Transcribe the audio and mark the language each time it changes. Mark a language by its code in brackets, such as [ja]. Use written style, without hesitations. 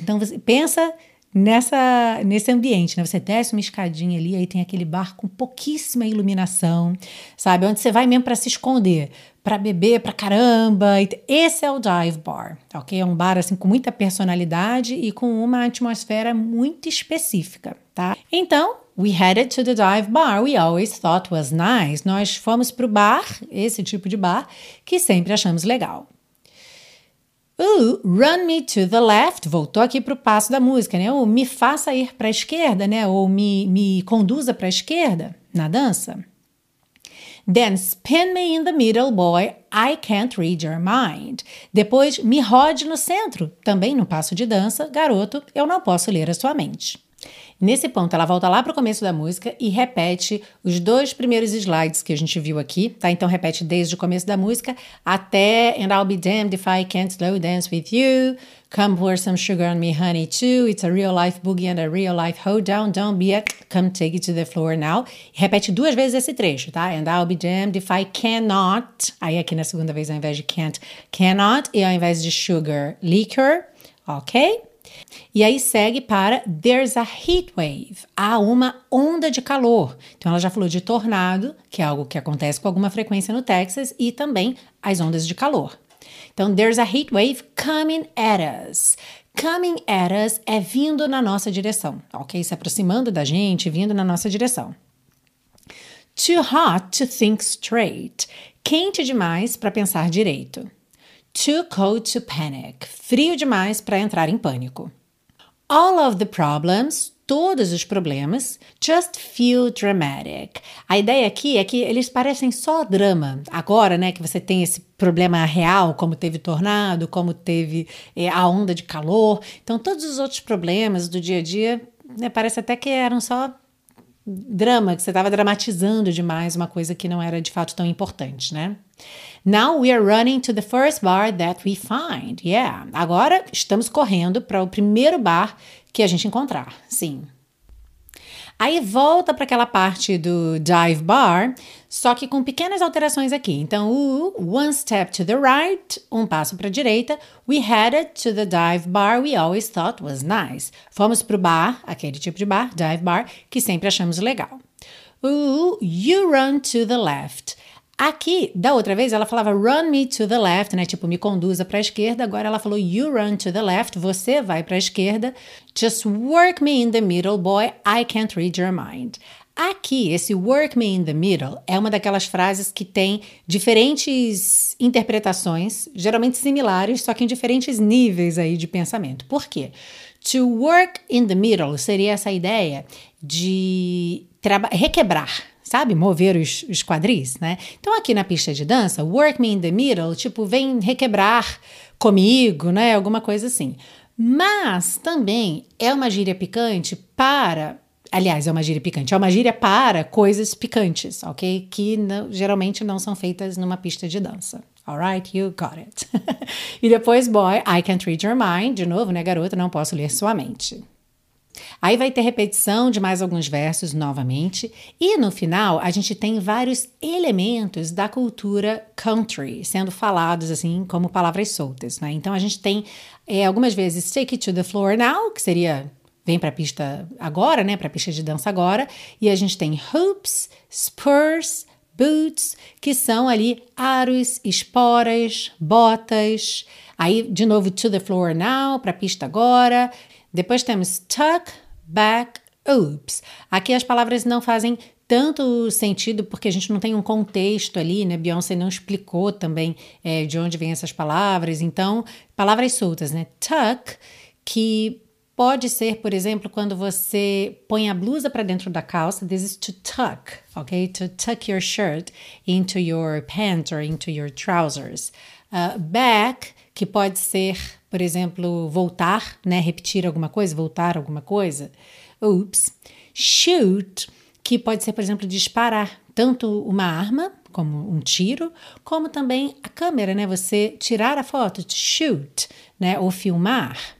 [pt] Então, você pensa nesse ambiente, né? Você desce uma escadinha ali, aí tem aquele bar com pouquíssima iluminação, sabe? Onde você vai mesmo para se esconder, para beber para caramba. Esse é o dive bar, ok? É um bar, assim, com muita personalidade e com uma atmosfera muito específica, tá? [en] Então, we headed to the dive bar we always thought was nice. [pt] Nós fomos pro bar, esse tipo de bar, que sempre achamos legal. [en] Run me to the left. [pt] Voltou aqui pro passo da música, né? Ou me faça ir pra esquerda, né? Ou me conduza pra esquerda na dança. [en] Then spin me in the middle, boy. I can't read your mind. [pt] Depois, me rode no centro. Também no passo de dança. Garoto, eu não posso ler a sua mente. Nesse ponto, ela volta lá para o começo da música e repete os dois primeiros slides que a gente viu aqui, tá? Então, repete desde o começo da música até [en] "And I'll be damned if I can't slow dance with you. Come pour some sugar on me, honey, too. It's a real life boogie and a real life hoedown. Don't be a... Come take it to the floor now." [pt] Repete duas vezes esse trecho, tá? [en] "And I'll be damned if I cannot..." [pt] Aí, aqui na segunda vez, ao invés de "can't", "cannot", e ao invés de "sugar", "liquor", ok? E aí segue para [en] "There's a heat wave", [pt] há uma onda de calor. Então ela já falou de tornado, que é algo que acontece com alguma frequência no Texas, e também as ondas de calor. [en] Então, "There's a heat wave coming at us." Coming at us [pt] é vindo na nossa direção, ok? Se aproximando da gente, vindo na nossa direção. [en] "Too hot to think straight", [pt] quente demais para pensar direito. [en] "Too cold to panic", [pt] frio demais para entrar em pânico. [en] "All of the problems", [pt] todos os problemas, [en] "just feel dramatic". [pt] A ideia aqui é que eles parecem só drama. Agora, né, que você tem esse problema real, como teve tornado, como teve a onda de calor. Então, todos os outros problemas do dia a dia, né, parece até que eram só drama, que você estava dramatizando demais uma coisa que não era de fato tão importante, né? [en] "Now we are running to the first bar that we find." [pt] Yeah, agora estamos correndo para o primeiro bar que a gente encontrar, sim. Aí volta para aquela parte do dive bar, só que com pequenas alterações aqui. Então, [en] "one step to the right", [pt] um passo para a direita. [en] "We headed to the dive bar we always thought was nice." [pt] Fomos para o bar, aquele tipo de bar, dive bar, que sempre achamos legal. [en] "You run to the left." [pt] Aqui, da outra vez, ela falava [en] "run me to the left", né? [pt] Tipo, me conduza para a esquerda. Agora ela falou [en] "you run to the left", [pt] você vai para a esquerda. [en] "Just work me in the middle, boy, I can't read your mind." [pt] Aqui, esse [en] "work me in the middle" [pt] é uma daquelas frases que tem diferentes interpretações, geralmente similares, só que em diferentes níveis aí de pensamento. Por quê? [en] To work in the middle [pt] seria essa ideia de requebrar, sabe? Mover os quadris, né? Então, aqui na pista de dança, [en] work me in the middle, [pt] tipo, vem requebrar comigo, né? Alguma coisa assim. Mas também é uma gíria picante para... Aliás, é uma gíria picante. É uma gíria para coisas picantes, ok? Que geralmente não são feitas numa pista de dança. [en] Alright, you got it. [pt] E depois, [en] boy, I can't read your mind. [pt] De novo, né, garota? Não posso ler sua mente. Aí vai ter repetição de mais alguns versos novamente. E no final, a gente tem vários elementos da cultura country sendo falados, assim, como palavras soltas, né? Então, a gente tem algumas vezes [en] take it to the floor now, [pt] que seria... Vem pra pista agora, né? Pra pista de dança agora. E a gente tem [en] hoops, spurs, boots, [pt] que são ali aros, esporas, botas. Aí, de novo, [en] to the floor now, [pt] pra pista agora. Depois temos [en] tuck, back, oops. [pt] Aqui as palavras não fazem tanto sentido, porque a gente não tem um contexto ali, né? Beyoncé não explicou também de onde vêm essas palavras. Então, palavras soltas, né? Tuck, que... Pode ser, por exemplo, quando você põe a blusa para dentro da calça. [en] This is to tuck, ok? To tuck your shirt into your pants or into your trousers. [pt] Back, que pode ser, por exemplo, voltar, né? Repetir alguma coisa, voltar alguma coisa. Oops. Shoot, que pode ser, por exemplo, disparar tanto uma arma, como um tiro, como também a câmera, né? Você tirar a foto, to shoot, né? Ou filmar.